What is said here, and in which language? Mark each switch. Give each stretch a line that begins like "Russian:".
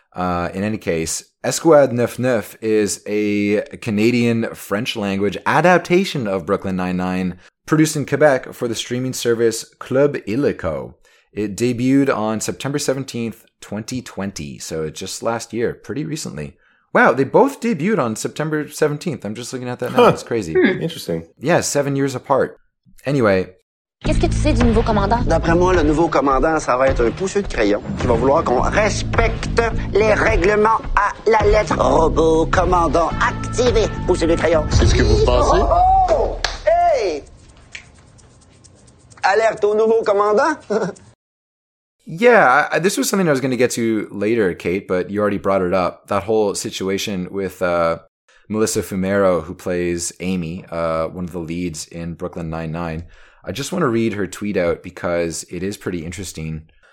English: In any case, Escouade 99 is a Canadian French language adaptation of Brooklyn Nine-Nine, produced in Quebec for the streaming service Club Illico. It debuted on September 17th, 2020. So just last year, pretty recently. Wow, they both debuted on September 17th. I'm just looking at that now. It's crazy. Interesting. Yeah, 7 years apart. Anyway,
French: Qu'est-ce que tu sais du nouveau commandant? D'après moi, le nouveau commandant, ça va être un pousseux de crayon qui va vouloir qu'on respecte les règlements à la lettre. Robot commandant activé. Pousseux de crayon. C'est ce que vous pensez?
English: Oh! Hey!
French: Alerte au nouveau commandant!
English: Yeah, this was something I was going to get to later, Kate, but you already brought it up. That whole situation with Melissa Fumero, who plays Amy, one of the leads in Brooklyn Nine-Nine. I just want to read her tweet out because it is pretty interesting.